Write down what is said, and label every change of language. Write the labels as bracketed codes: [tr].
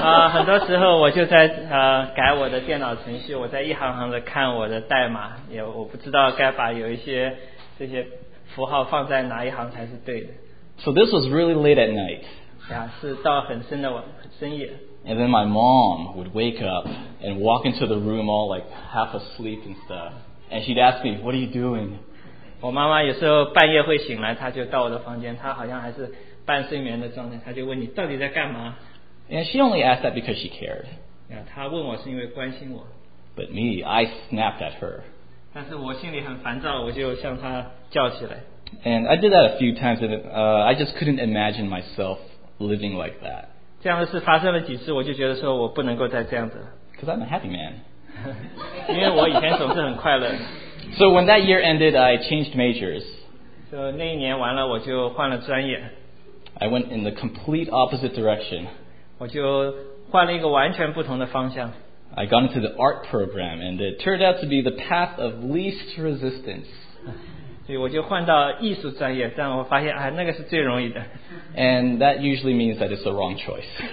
[zh] 很多时候我就在改我的电脑程序，我在一行行的看我的代码，也我不知道该把有一些这些符号放在哪一行才是对的。 [en] So this was really late at night. [zh] 是到很深的晚深夜。 [en] And then my mom would wake up and walk into the room all like half asleep and stuff. And she'd ask me, "What are you doing?" [zh] 我妈妈有时候半夜会醒来，她就到我的房间，她好像还是半睡眠的状态，她就问你到底在干嘛。 [en] And she only asked that because she cared. [zh] 她问我是因为关心我。 [en] But me, I snapped at her. [zh] 但是我心里很烦躁，我就向她叫起来。 [en] And I did that a few times, and I just couldn't imagine myself living like that. [zh] 这样的事发生了几次，我就觉得说我不能够再这样子了。 [en] Because I'm a happy man. [zh] 因为我以前总是很快乐。 [en] So when that year ended, I changed majors. [zh] So 那一年完了，我就换了专业。 [en] I went in the complete opposite direction. [zh] 我就换了一个完全不同的方向。 [en] I got into the art program, and it turned out to be the path of least resistance. [zh] 所以我就换到艺术专业，但我发现啊，那个是最容易的。 [en] And that usually means that it's the wrong choice.